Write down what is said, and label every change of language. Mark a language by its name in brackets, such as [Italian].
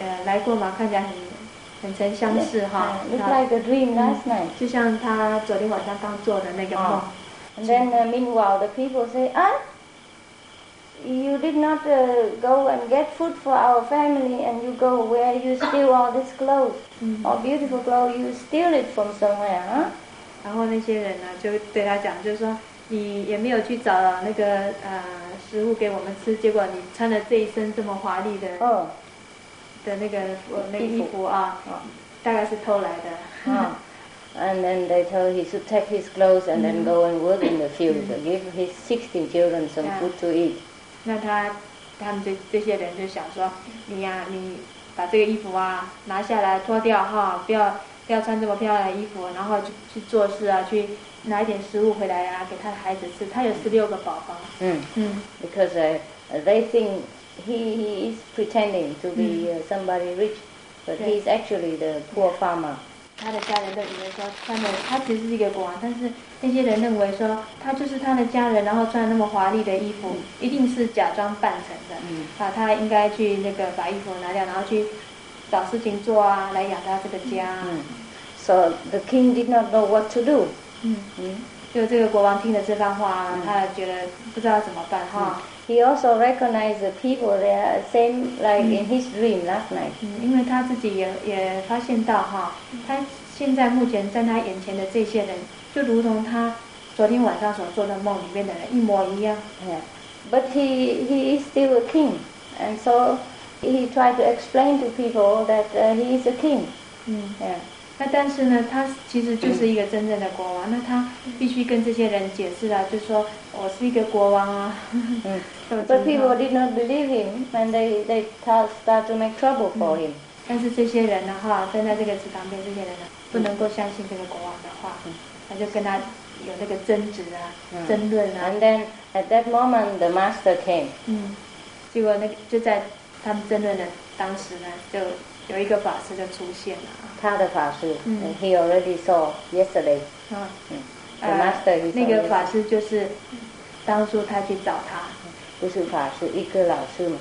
[Chinese] 那这个国王他就看到这种状况，就想说，奇怪，这个地方好像来过嘛，看起来很曾相识哈。 [English] Look like a dream last night. [Chinese] 就像他昨天晚上刚做的那个梦。 [English] And then meanwhile, the people say, you did not go and get food for our family, and you go where you steal all this clothes, all beautiful clothes, you steal it from somewhere, huh? [Chinese] 然后那些人呢，就对他讲，就是说，你也没有去找那个食物给我们吃，结果你穿了这一身这么华丽的衣服啊，大概是偷来的。 [English] And then they told he should take his clothes and then go and work in the field, give his 16 children some food to eat. [Chinese] 那他们这些人就想说，你呀，你把这个衣服啊拿下来脱掉哈，不要要穿这么漂亮的衣服，然后去做事啊，去拿一点食物回来啊，给他的孩子吃。他有16个宝宝。嗯嗯。 [English] Because they think he is pretending to be somebody rich, but he is actually the poor farmer. [Chinese] 他的家人都以为说他其实是一个国王，但是那些人认为说他就是他的家人，然后穿那么华丽的衣服，一定是假装扮成的。嗯。啊，他应该去那个把衣服拿掉，然后去找事情做啊，来养他这个家。嗯。 [English] So the king did not know what to do. [Chinese] 嗯嗯，就这个国王听了这番话，他觉得不知道怎么办哈。 [English] He also recognized the people there, same like in his dream last night. [Chinese] 嗯，因为他自己也发现到哈，他现在目前在他眼前的这些人，就如同他昨天晚上所做的梦里面的人一模一样。 Yeah. [English] But he is still a king, and so he tried to explain to people that he is a king. 嗯，yeah. [Chinese] 那但是呢，他其实就是一个真正的国王。那他必须跟这些人解释了，就说我是一个国王啊。嗯。 [English] But people did not believe him, and they start to make trouble for him. [Chinese] 但是这些人的话，站在这个池塘边，这些人呢，不能够相信这个国王的话，他就跟他有那个争执啊，争论啊。 [English] And then at that moment, the master came. 嗯。 [Chinese] 结果那个就在他们争论的当时呢，就有一个法师就出现了。他的法师， [English] he already saw yesterday. 嗯， The master, [Chinese] 那个法师就是当初他去找他，不是法师，一个老师嘛，